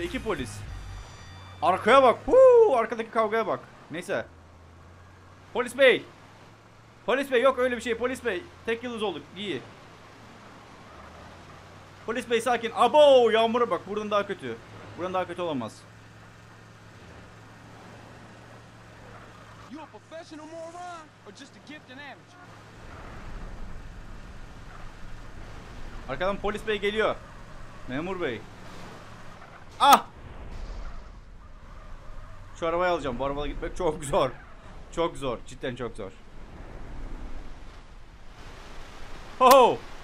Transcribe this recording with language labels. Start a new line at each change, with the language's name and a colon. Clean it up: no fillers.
Turkish: İki polis. Arkaya bak. Huu, arkadaki kavgaya bak. Neyse. Polis bey. Polis bey yok öyle bir şey. Polis bey tek yıldız olduk. İyi. Polis bey sakin. Abo yağmura bak. Buradan daha kötü. Buradan daha kötü olamaz.
English: You're a professional moron or just a gifted amateur?
Turkish: Arkadan polis bey geliyor. Memur bey. Ah! Şu arabayı alacağım. Bu arabayla gitmek çok zor. Çok zor. Cidden çok zor. Ho!